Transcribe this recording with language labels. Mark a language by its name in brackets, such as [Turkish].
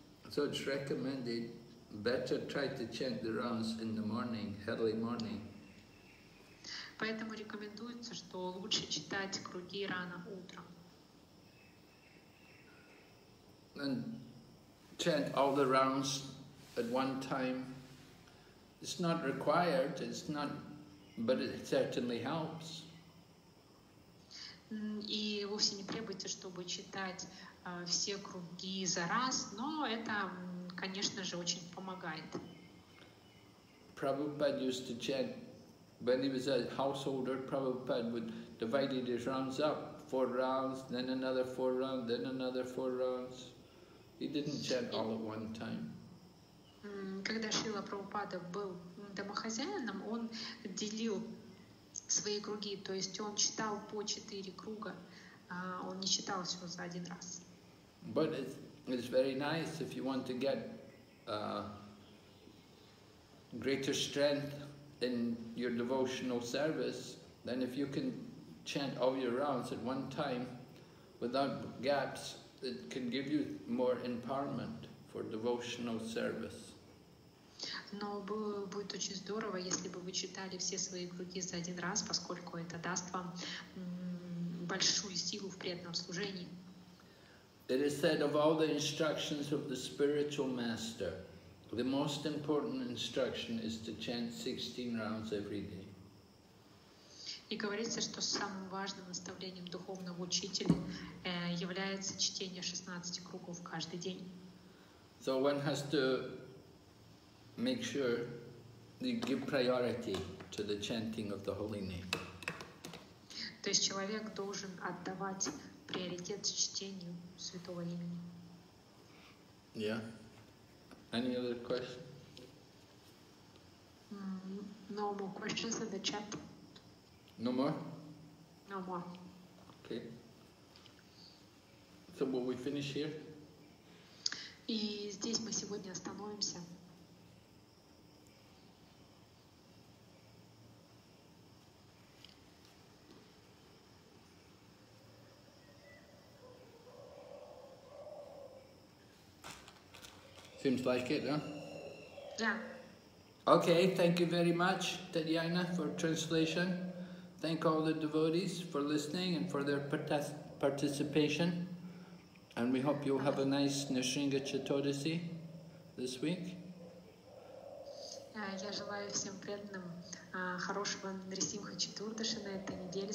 [English] So it's recommended better try to chant the rounds in the morning, early morning. [Russian] Поэтому рекомендуется, что лучше читать круги рано утром. [English] And chant all the rounds at one time. It's not required, it's not, but it certainly helps. [Russian] И вовсе не требуется, чтобы читать все круги за раз, но это, конечно же, очень помогает. [English] Prabhupada used to chant, when he was a householder, Prabhupada would divide his rounds up, four rounds, then another four rounds, then another four rounds. He didn't chant all at one time. [Russian] Когда Шрила Прабхупада был домохозяином, он делил свои круги, то есть он читал по четыре круга, он не читал всего за один раз. [English] But it's very nice if you want to get greater strength in your devotional service, then if you can chant all your rounds at one time without gaps, it can give you more empowerment for devotional service. [Russian] Но будет очень здорово, если бы вы читали все свои круги за один раз, поскольку это даст вам большую силу в преданном служении. [English] It is said of all the instructions of the spiritual master, the most important instruction is to chant 16 rounds every day. [Russian] И говорится, что самым важным наставлением духовного учителя является чтение 16 кругов каждый день. [English] So one has to make sure you give priority to the chanting of the holy name. [Russian] То есть человек должен отдавать приоритет чтению святого имени. [English] Yeah. Any other question? No more questions in the chat. No more? No more. Okay. So will we finish here? [Russian] И здесь мы сегодня остановимся. [English] If Seems like it, huh? Yeah. Okay, thank you very much, Tatiana, for translation. Thank all the devotees for listening and for their participation. And we hope you'll have a nice Nrisimha Chaturdasi this week. [Russian] Я желаю всем преданным хорошего Нрисимха Чатурдаши на этой неделе.